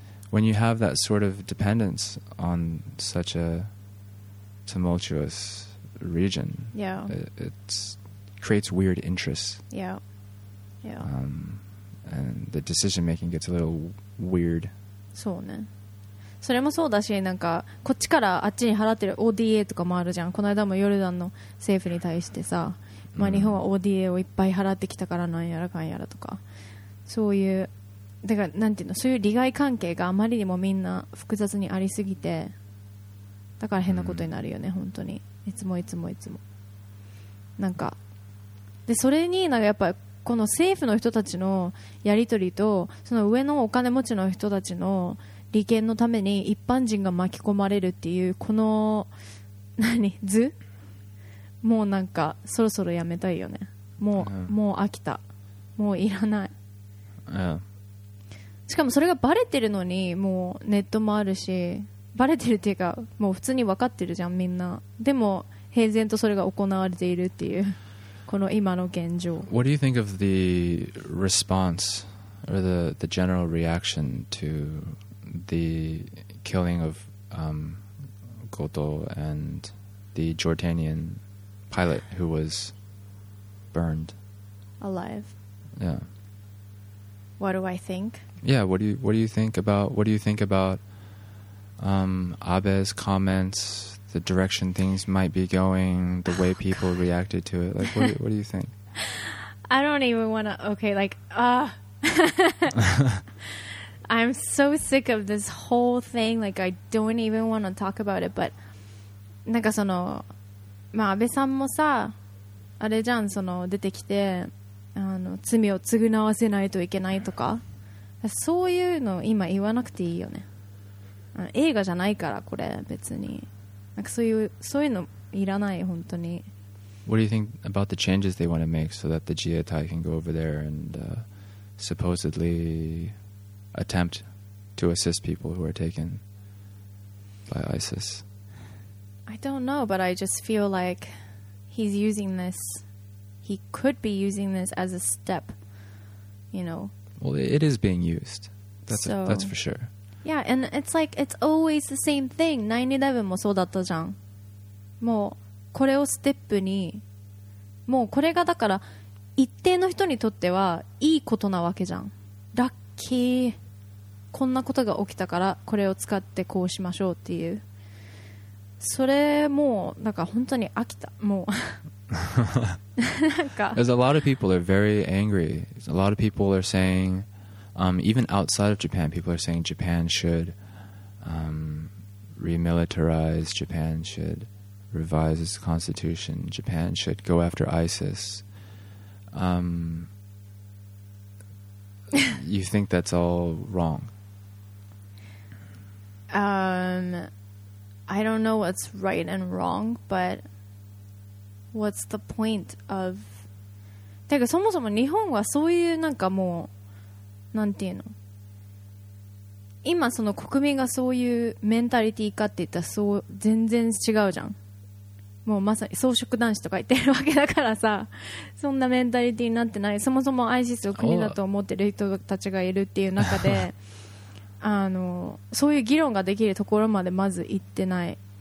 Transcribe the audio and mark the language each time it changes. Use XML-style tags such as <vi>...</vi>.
<en>When you have that sort of dependence on such a tumultuous region, yeah, it creates weird interests. Yeah. Yeah. And the decision making gets a little weird.</en> <ja>そうね。それもそうだし、なんかこっちからあっちに払ってる ODA とかもあるじゃん。この間もヨルダンの政府に対してさ、まあ日本は ODA をいっぱい払ってきたからなんやらかんやらとか、そういう、だからなんていうの、そういう利害関係があまりにもみんな複雑にありすぎて、だから変なことになるよね、本当に。いつもいつもいつも。なんか、で、それになんかやっぱり、この政府の人たちのやり取りとその上のお金持ちの人たちの利権のために一般人が巻き込まれるっていうこの何図もうなんかそろそろやめたいよね。もう、</ja> <en>yeah.</en> <ja>もう飽きた。もういらない。</ja> <en>Yeah.</en> <ja>しかもそれがバレてるのにもうネットもあるし、バレてるっていうかもう普通に分かってるじゃんみんな。でも平然とそれが行われているっていう。この今の現状。</ja> <en>What do you think of the response or the general reaction to the killing of Goto and the Jordanian pilot who was burned alive? Yeah. What do I think? Yeah, what do you think about Abe's comments, the direction things might be going, the way people reacted to it. Like, what do you think? I don't even want to... Okay, like, I'm so sick of this whole thing. Like, I don't even want to talk about it. But,</en> <ja>なんかその、まあ、安倍さんもさ、あれじゃん、その、出てきて、あの、罪を償わせないといけないとか。そういうの今言わなくていいよね。映画じゃないから、これ、別に。なんかそういうのいらない本当に。</ja> <en>What do you think about the changes they want to make so that the Jietai can go over there and supposedly attempt to assist people who are taken by ISIS? I don't know, but I just feel like he's using this. He could be using this as a step, you know. Well, it is being used. That's for sure. Yeah, and it's like, it's always the same thing.</en> <ja>9/11 もそうだったじゃん。もう、これをステップに、もうこれがだから、一定の人にとっては、いいことなわけじゃん。ラッキー。こんなことが起きたから、これを使ってこうしましょうっていう。それ、もう、なんか本当に飽きた。もう。なんか。</ja> <en>There's a lot of people that are very angry. A lot of people are saying,even outside of Japan, people are saying Japan should remilitarize, Japan should revise its constitution, Japan should go after ISIS. you think that's all wrong? I don't know what's right and wrong, but what's the point of...</en> <ja>てかそもそも日本はそういうなんかもうなんていうの今その国民がそういうメンタリティかって言ったらそう全然違うじゃん。もうまさに草食男子とか言ってるわけだからさ、そんなメンタリティになってない。そもそも ISIS を国だと思ってる人たちがいるっていう中で、</ja> <en>oh.</en> <ja>あのそういう議論ができるところまでまず行ってない。</ja>